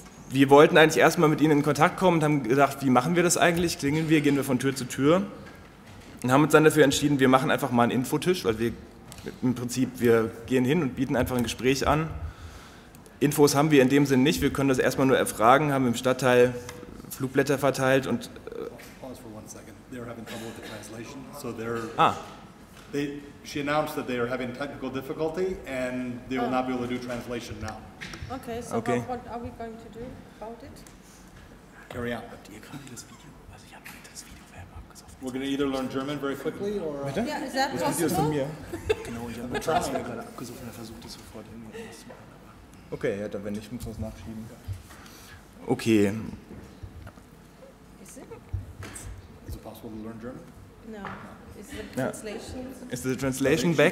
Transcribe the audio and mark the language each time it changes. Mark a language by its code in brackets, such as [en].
[de] Wir wollten eigentlich erstmal mit ihnen in Kontakt kommen und haben gedacht, wie machen wir das eigentlich? Klingeln wir, gehen wir von Tür zu Tür? Und haben uns dann dafür entschieden, wir machen einfach mal einen Infotisch, weil wir im Prinzip, wir gehen hin und bieten einfach ein Gespräch an. Infos haben wir in dem Sinn nicht, wir können das erstmal nur erfragen, haben im Stadtteil Flugblätter verteilt und... [en] Pause for one second, they're having trouble with the translation, so they're... Ah. They, she announced that they are having technical difficulty and they will not be able to do translation now. Okay, so okay. What are we going to do about it? Carry on. But you can't just speak. We're going to either learn German very quickly or... Yeah, is that possible? [de] Genau, ich habe mir gerade abgesucht und versucht es sofort irgendwas zu machen. Okay, ja, dann wenn nicht, muss ich was nachschieben. Okay. [en] Is it? Is it possible to learn German? No. Is the translation... Is the translation back?